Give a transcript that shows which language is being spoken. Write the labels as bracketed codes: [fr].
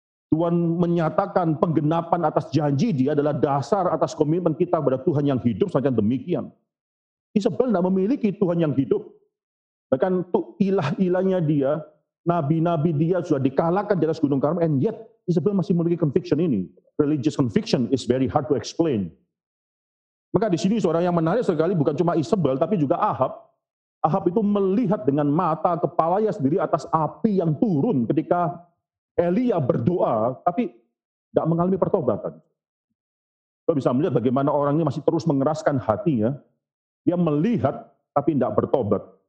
[id] Tuhan menyatakan penggenapan atas janji dia adalah dasar atas komitmen kita kepada Tuhan yang hidup saja demikian. Isabel tidak memiliki Tuhan yang hidup. Bahkan ilah-ilahnya dia, nabi-nabi dia sudah dikalahkan di atas Gunung Karmel, [en] and yet [id] Isabel masih memiliki conviction ini. [en] Religious conviction is very hard to explain. [id] Maka di sini seorang yang menarik sekali bukan cuma Isabel, tapi juga Ahab. Ahab itu melihat dengan mata kepalanya sendiri atas api yang turun ketika Elia berdoa, tapi tidak mengalami pertobatan. Kita bisa melihat bagaimana orang ini masih terus mengeraskan hatinya. Dia melihat, tapi tidak bertobat.